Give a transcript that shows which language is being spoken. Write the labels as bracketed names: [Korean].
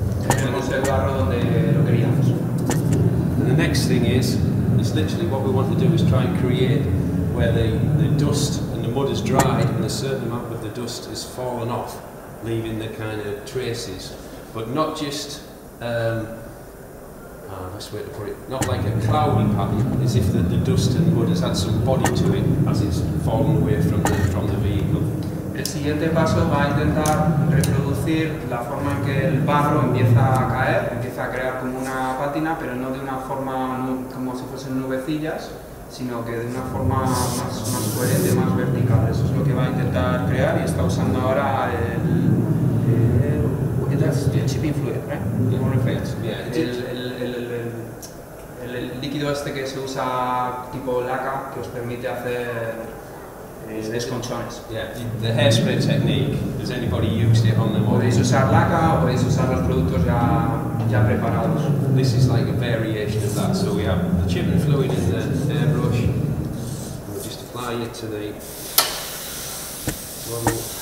[English] And the next thing is literally what we want to do is try and create where the dust and the mud has dried and a certain amount of the dust has fallen off, leaving the kind of traces. But not just, best way to put it, not like a cloudy pattern, as if the dust and mud has had some body to it as it's fallen away from the vehicle. [Spanish] El siguiente paso va a intentar reproducir la forma en que el barro empieza a caer, empieza a crear como una pátina, pero no de una forma como si fuesen nubecillas, sino que de una forma más coherente, más vertical. Eso es lo que va a intentar crear y está usando ahora el chipping fluid, [English] right? Yeah. [Spanish] El líquido este que se usa tipo laca que os permite hacer desconchones. [English] Yeah, the hairspray technique. Does anybody use it on the mud? [Spanish] Podéis usar laca o podéis usar los productos ya preparados. [English] This is like a variation of that. So we have the chipping fluid in the airbrush. We'll just apply it to the model.